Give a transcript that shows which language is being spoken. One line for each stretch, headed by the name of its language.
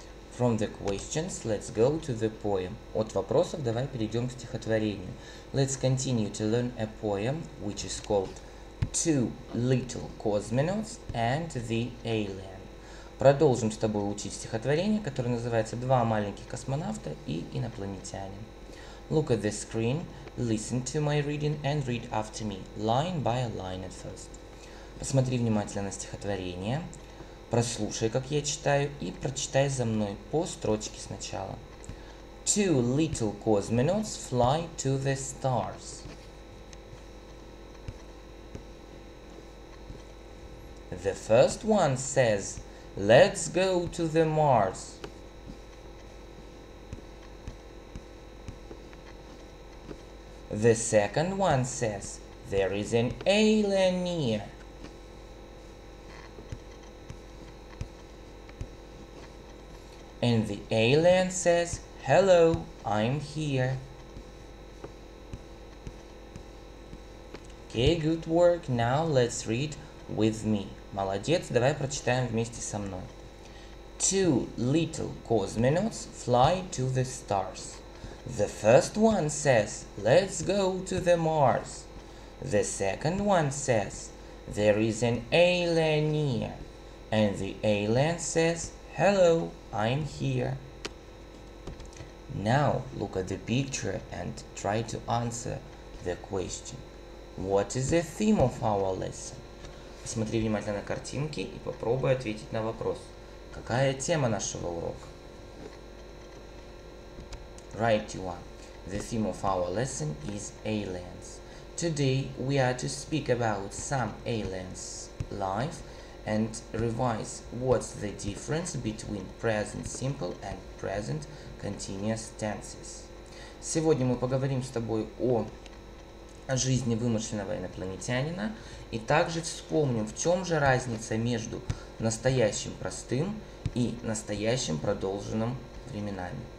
English: From the questions, let's go to the poem.
Russian: От вопросов давай перейдем к стихотворению.
English: Let's continue to learn a poem, which is called Two Little Cosmonauts and the Alien.
Russian: Продолжим с тобой учить стихотворение, которое называется Два маленьких космонавта и инопланетянин.
English: Look at the screen, listen to my reading and read after me, line by line at first.
Russian: Посмотри внимательно на стихотворение. Прослушай, как я читаю, и прочитай за мной по строчке сначала.
English: Two little cosmonauts fly to the stars. The first one says, let's go to the Mars. The second one says, there is an alien near. And the alien says, hello, I'm here. Okay, good work. Now let's read with me.
Russian: Молодец, давай прочитаем вместе со мной.
English: Two little cosmonauts fly to the stars. The first one says, let's go to the Mars. The second one says, there is an alien here. And the alien says, hello, I'm here. Now look at the picture and try to answer the question. What is the theme of our lesson?
Russian: Посмотри внимательно на картинки и попробуй ответить на вопрос. Какая тема нашего урока?
English: Right you are. The theme of our lesson is aliens. Today we are to speak about some aliens' life and revise what's the difference between present simple and present continuous tenses.
Russian: Сегодня мы поговорим с тобой о жизни вымышленного инопланетянина и также вспомним, в чем же разница между настоящим простым и настоящим продолженным временами.